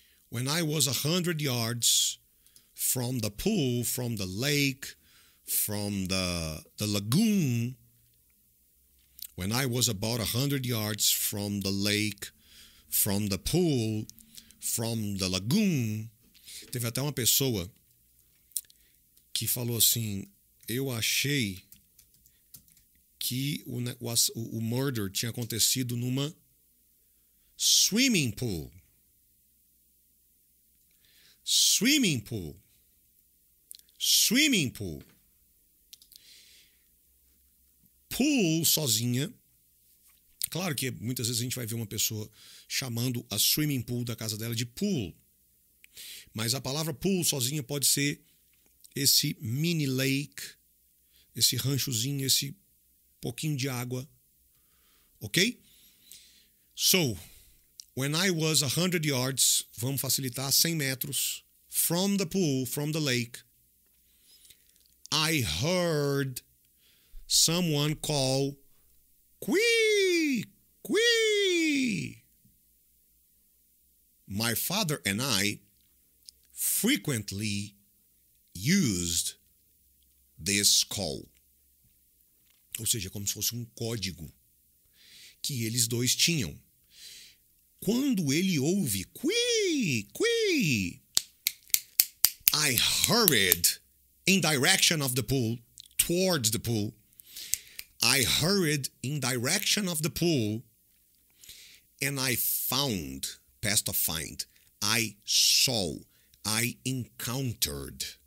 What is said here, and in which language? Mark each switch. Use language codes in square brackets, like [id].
[en] When I was 100 yards from the pool, from the lake, from the lagoon. When I was about 100 yards from the lake, from the pool, from the lagoon. [pt] Teve até uma pessoa que falou assim, eu achei que o murder tinha acontecido numa swimming pool. [en] Swimming pool. Swimming pool. [pt] Pool sozinha. Claro que muitas vezes a gente vai ver uma pessoa chamando a swimming pool da casa dela de pool. Mas a palavra pool sozinha pode ser esse mini lake, esse ranchozinho, esse pouquinho de água. Ok? [en] So, when I was 100 yards, [pt] vamos facilitar, 100 metros, [en] from the pool, from the lake, I heard someone call, quee, quee. My father and I frequently used this call. [pt] Ou seja, como se fosse um código que eles dois tinham. Quando ele ouve, [en] quee, quee, I hurried in direction of the pool, towards the pool. I hurried in direction of the pool and I found, past of find, I saw, I encountered.